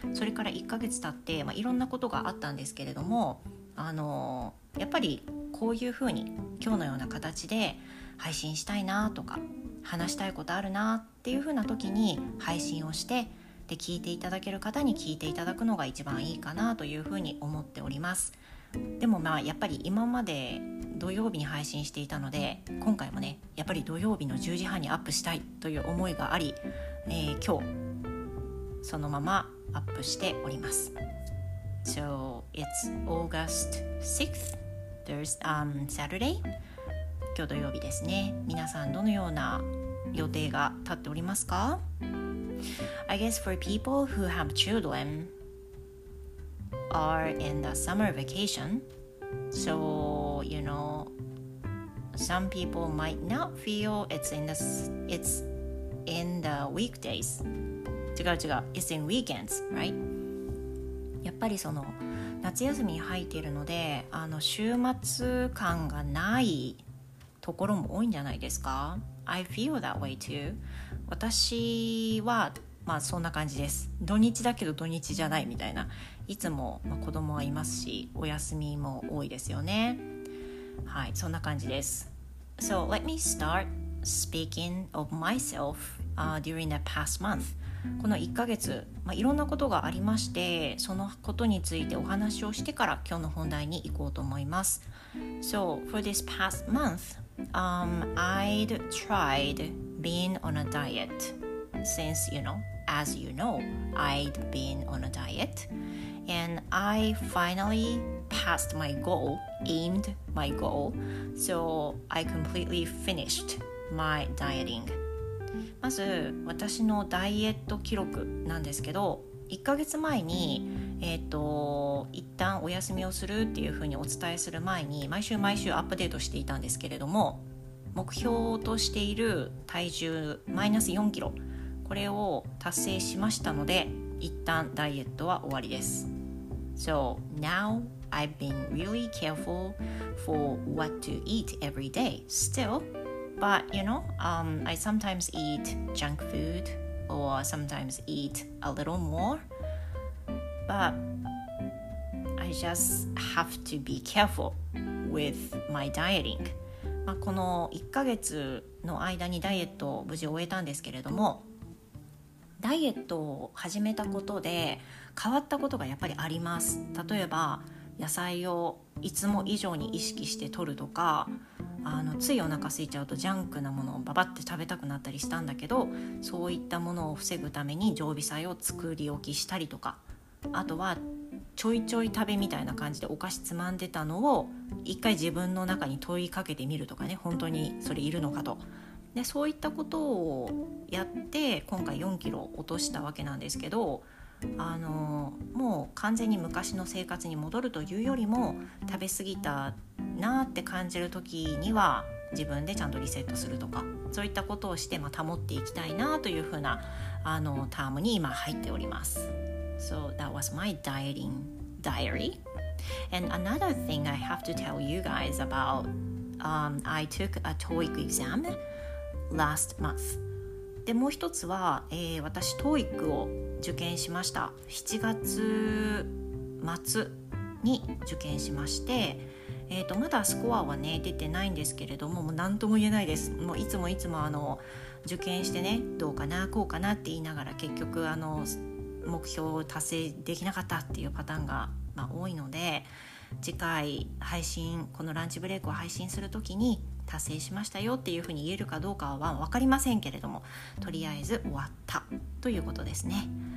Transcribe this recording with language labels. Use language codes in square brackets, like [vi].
[ja] それから1ヶ月経って、いろんなことがあったんですけれども、やっぱりこういうふうに今日のような形で配信したいなとか、話したいことあるなっていうふうな時に配信をして、で聞いていただける方に聞いていただくのが一番いいかなというふうに思っております。でもやっぱり今まで土曜日に配信していたので、今回もねやっぱり土曜日の10時半にアップしたいという思いがあり、今日そのままアップしております。 [en] So it's August 6th There's Saturday [ja] 今日土曜日ですね。皆さんどのような予定が立っておりますか？ [en] I guess for people who have childrenare in the summer vacation, so you know some people might not feel it's in the weekdays. [ja] 違う、 [en] it's in weekends, right? [ja] やっぱりその夏休みに入っているので、週末感がないところも多いんじゃないですか。 [en] I feel that way too. [ja] 私はそんな感じです。土日だけど土日じゃないみたいな。いつも子供はいますし、お休みも多いですよね。はい、そんな感じです。 [en] So let me start speaking of myself during the past month. [ja] この1ヶ月、いろんなことがありまして、そのことについてお話をしてから今日の本題に行こうと思います。 [en] So for this past month, I'd tried being on a dietSince, you know, as you know, I'd been on a diet and I finally passed my goal, aimed my goal, so I completely finished my dieting. [ja] まず私のダイエット記録なんですけど、1ヶ月前に一旦お休みをするっていうふうにお伝えする前に、毎週アップデートしていたんですけれども、目標としている体重マイナス4キロこれを達成しましたので、一旦ダイエットは終わりです。 [en] So now I've been really careful for what to eat every day still. But you know, I sometimes eat junk food or sometimes eat a little more. But I just have to be careful with my dieting. [ja] この1ヶ月の間にダイエットを無事終えたんですけれども、ダイエットを始めたことで変わったことがやっぱりあります。例えば野菜をいつも以上に意識して摂るとか、ついお腹空いちゃうとジャンクなものをババって食べたくなったりしたんだけど、そういったものを防ぐために常備菜を作り置きしたりとか、あとはちょいちょい食べみたいな感じでお菓子つまんでたのを一回自分の中に問いかけてみるとかね、本当にそれいるのかと、で、そういったことをやって今回4キロ落としたわけなんですけど、もう完全に昔の生活に戻るというよりも、食べ過ぎたなって感じる時には自分でちゃんとリセットするとか、そういったことをして、保っていきたいなというふうな、タームに今入っております。 [en] So that was my dieting diary. And another thing I have to tell you guys about、I took a TOEIC exam last month. [ja] でもう一つは、私 TOEIC を受験しました。 7月末に受験しまして、まだスコアはね出てないんですけれども、もう何とも言えないです。もういつもいつも受験してね、どうかなこうかなって言いながら、結局目標を達成できなかったっていうパターンが、多いので、次回配信、このランチブレイクを配信するときに達成しましたよっていうふうに言えるかどうかは分かりませんけれども、とりあえず終わったということですね。